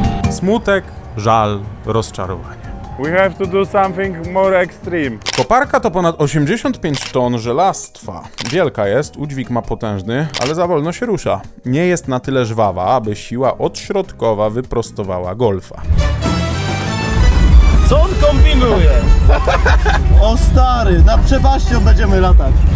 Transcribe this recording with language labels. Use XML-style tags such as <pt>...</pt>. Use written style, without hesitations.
<pl>Smutek, żal, rozczarowanie.</pl> <en>We have to do something more extreme.</en> <pl>Koparka to ponad 85 ton żelastwa. Wielka jest, udźwig ma potężny, ale za wolno się rusza. Nie jest na tyle żwawa, aby siła odśrodkowa wyprostowała golfa. Co on kombinuje? O stary, nad przepaścią będziemy latać.</pl>